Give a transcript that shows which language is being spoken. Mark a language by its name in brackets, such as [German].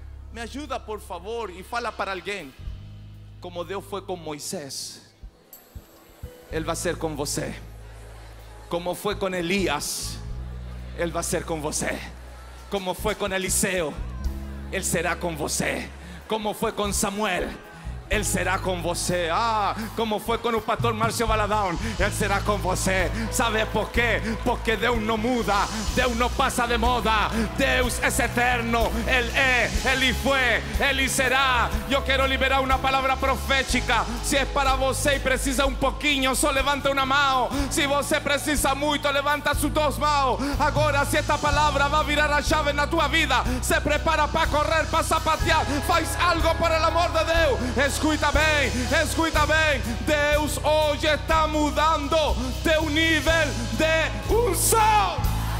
[Portuguese] Me ajuda, por favor, e fala para alguém: como Deus foi com Moisés, Ele vai ser com você. Como foi com Elias, Ele vai ser com você. [Spanish] Como fue con Eliseo, Él será con você. Como fue con Samuel, Él será con você. Ah, como fue con el pastor Márcio Valadão. Él será con você. ¿Sabe por qué? Porque Deus no muda, Deus no pasa de moda. Deus es eterno. Él es, Él fue, Él será. Yo quiero liberar una palabra profética. Si es para você y precisa un poquito, solo levanta una mano. Si você precisa mucho, levanta sus dos manos. Ahora, si esta palabra va a virar la llave en tu vida, se prepara para correr, para zapatear. Faz algo por el amor de Deus. [Portuguese] Escuta bem, escuta bem. Deus hoje está mudando teu nível de unção.